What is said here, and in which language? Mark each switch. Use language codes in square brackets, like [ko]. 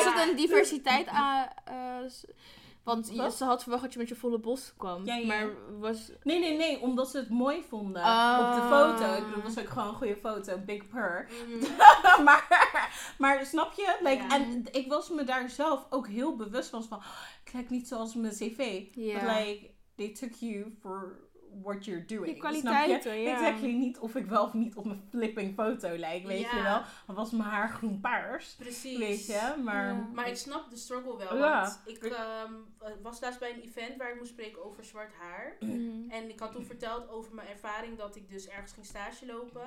[nl] Maar was het een diversiteit aan... Want ze had verwacht dat je met je volle bos kwam. Ja, ja. Maar was... Nee. Omdat ze het mooi vonden. Op de foto. Ik bedoel, dat was ook gewoon een goede foto. Big purr. Mm. maar snap je? Like, ja. En ik was me daar zelf ook heel bewust van. Van, ik kijk niet zoals mijn cv. Ja. [en] But like, they took you for what you're doing. [nl] Je kwaliteiten, snap je? Ja. Exactly niet of ik wel of niet op mijn flipping foto lijk. Weet ja. je wel? Of was mijn haar groen paars. Precies. Weet je? Maar, ja. maar ik snap de struggle wel. Ja. Want ik was laatst bij een event waar ik moest spreken over zwart haar. En ik had toen verteld over mijn ervaring dat ik dus ergens ging stage lopen.